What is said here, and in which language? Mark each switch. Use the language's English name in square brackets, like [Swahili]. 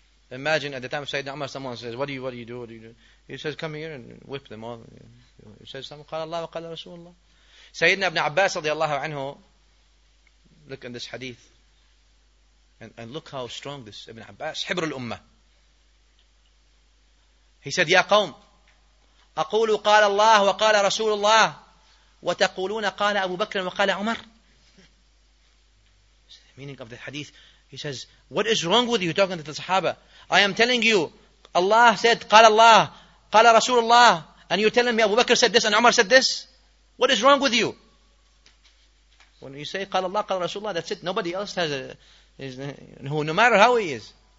[English] Imagine at the time of Sayyidina Umar, someone says, what do you do? He says, come here and whip them all. He says, [Arabic] قال الله وقال رسول الله. [English] Sayyidina Ibn Abbas [Arabic] رضي الله عنه, [English] look in this hadith. And look how strong this Ibn Abbas, [Arabic] حبر الأمة. [English] He said, [Arabic] يا قوم, أقول قال الله وقال رسول الله وتقولون قال أبو بكر وقال عمر. [English] Meaning of the hadith, he says, what is wrong with you talking to the Sahaba? I am telling you, Allah said, [Arabic] قال الله, قال رسول الله, [English] and you're telling me Abu Bakr said this and Umar said this? What is wrong with you? When you say, [Arabic] قال الله, قال رسول الله, [English] that's it. Nobody else has who, no matter how he is.